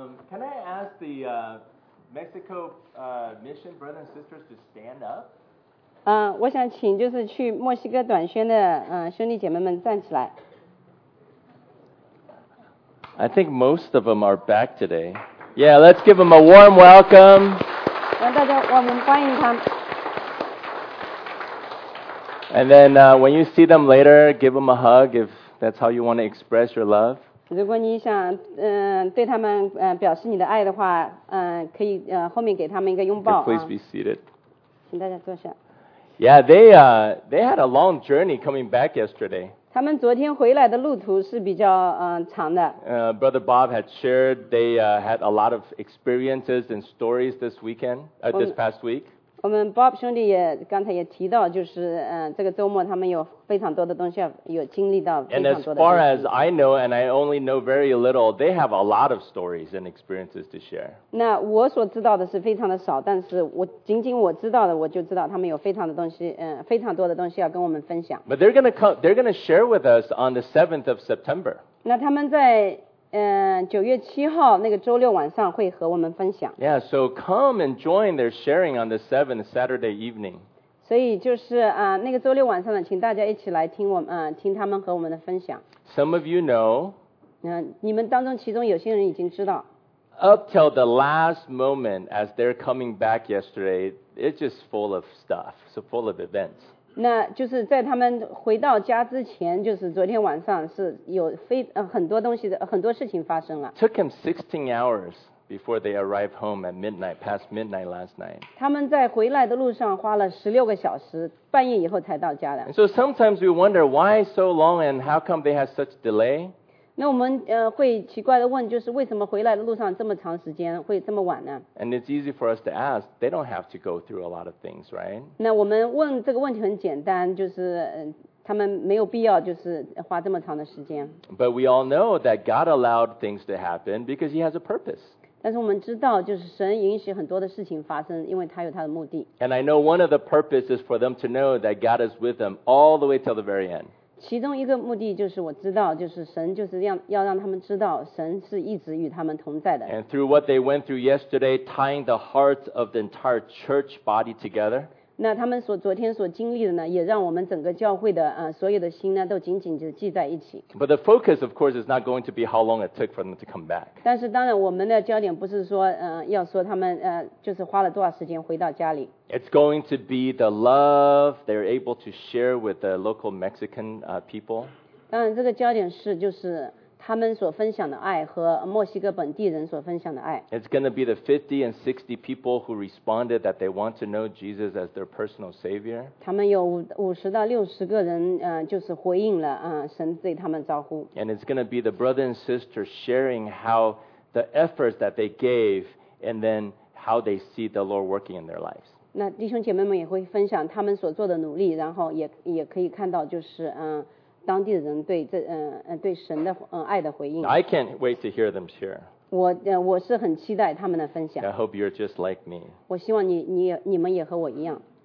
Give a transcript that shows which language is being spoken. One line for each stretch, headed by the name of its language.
English: Can I ask the Mexico mission brothers and sisters to stand up?
Chinese: 我想请就是去墨西哥短宣的兄弟姐妹们站起来。
English: I think most of them are back today. Yeah, let's give them a warm welcome.
Chinese: 让大家我们欢迎他们。
English: And then when you see them later, give them a hug if that's how you want to express your love.
Chinese: 如果你想对他们表示你的爱的话，可以后面给他们一个拥抱。
English: Please be seated.
Chinese: 请大家坐下。
English: Yeah, they had a long journey coming back yesterday.
Chinese: 他们昨天回来的路途是比较长的。
English: Brother Bob had shared they had a lot of experiences and stories this weekend, this past week.
Chinese: 我们 Bob 兄弟也刚才也提到，就是这个周末他们有非常多的东西有经历到。
English: And as far as I know, and I only know very little, they have a lot of stories and experiences to share.
Chinese: 那我所知道的是非常的少，但是我仅仅我知道的，我就知道他们有非常的东西，非常多的东西要跟我们分享。
English: But they're gonna come, they're gonna share with us on the 7th of September.
Chinese: 那他们在9月7号那个周六晚上会和我们分享。
English: Yeah, so come and join their sharing on the 7th Saturday evening.
Chinese: 所以就是那个周六晚上呢，请大家一起来听我们听他们和我们的分享。
English: Some of you know.
Chinese: 你们当中其中有些人已经知道。
English: Up till the last moment as they're coming back yesterday, it's just full of stuff, so full of events.
Chinese: 那就是在他们回到家之前，就是昨天晚上是有很多东西的很多事情发生了。
English: Took him 16 hours before they arrived home at midnight, past midnight last night.
Chinese: 他们在回来的路上花了16个小时，半夜以后才到家的。
English: And so sometimes we wonder why so long and how come they had such delay?
Chinese: 那我们会奇怪的问，就是为什么回来的路上这么长时间，会这么晚呢？
English: And it's easy for us to ask. They don't have to go through a lot of things, right?
Chinese: 那我们问这个问题很简单，就是他们没有必要就是花这么长的时间。
English: But we all know that God allowed things to happen because He has a purpose.
Chinese: 但是我们知道，就是神允许很多的事情发生，因为他有他的目的。
English: And I know one of the purposes is for them to know that God is with them all the way till the very end.
Chinese: 其中一个目的就是我知道，就是神就是要让他们知道，神是一直与他们同在的。
English: And through what they went through yesterday, tying the hearts of the entire church body together.
Chinese: 那他们所昨天所经历的呢，也让我们整个教会的所有的心呢，都紧紧就系在一起。
English: But the focus, of course, is not going to be how long it took for them to come back.
Chinese: 但是当然，我们的焦点不是说要说他们就是花了多少时间回到家里。
English: It's going to be the love they're able to share with the local Mexican people.
Chinese: 当然，这个焦点是就是他们所分享的爱和墨西哥本地人所分享的爱。
English: It's going to be the 50 and 60 people who responded that they want to know Jesus as their personal savior.
Chinese: 他们有50到60个人就是回应了神对他们招呼。
English: And it's going to be the brother and sister sharing how the efforts that they gave and then how they see the Lord working in their lives.
Chinese: 那弟兄姐妹们也会分享他们所做的努力，然后也可以看到就是当地的人对这对神的爱的回应。
English: I can't wait to hear them share.
Chinese: 我是很期待他们的分享。
English: I hope you're just like me.
Chinese: 我希望你们也和我一样。